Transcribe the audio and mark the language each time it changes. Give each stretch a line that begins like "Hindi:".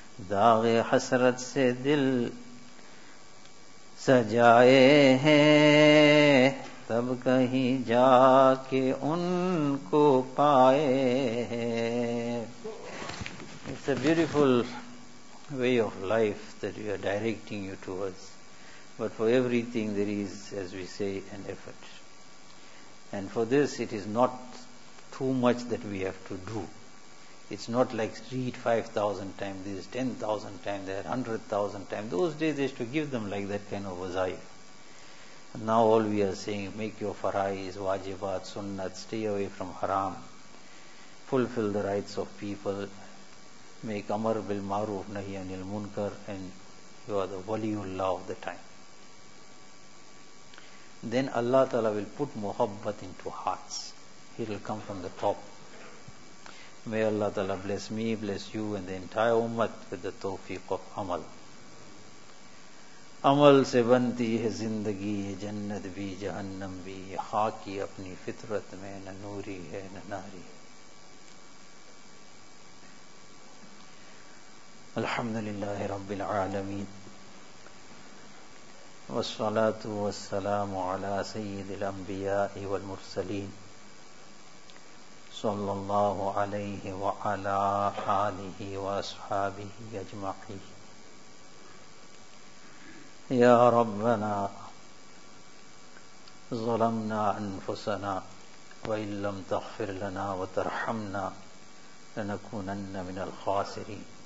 Urdu: داغ حسرت سے دل سجائے ہیں, تب کہیں جا کے ان کو پائے ہیں.
English: It's a beautiful way of life that we are directing you towards. But for everything there is, as we say, an effort. And for this it is not too much that we have to do. It's not like read 5,000 times this, 10,000 times that, 100,000 times. Those days they used to give them like that kind of wazayif. Now all we are saying, make your farais, wajibat, sunnat, stay away from haram, fulfill the rights of people, make amar bil maruf nahi anil munkar, and you are the waliullah of the time. Then Allah Ta'ala will put muhabbat into hearts. It will come from the top. May Allah Ta'ala bless me, bless you and the entire ummah with the tawfiq of amal.
Urdu: عمل سے بنتی ہے زندگی, یہ جنت بھی جہنم بھی, یہ خاکی اپنی فطرت میں نہ نوری ہے نہ ناری.
Arabic: الحمدللہ رب العالمین, والصلاة والسلام علی سید الانبیاء والمرسلین صلی اللہ علیہ وعلی آلہ واصحابہ اجمعین. يا ربنا ظلمنا أنفسنا وإن لم تغفر لنا وترحمنا لنكونن من الخاسرين.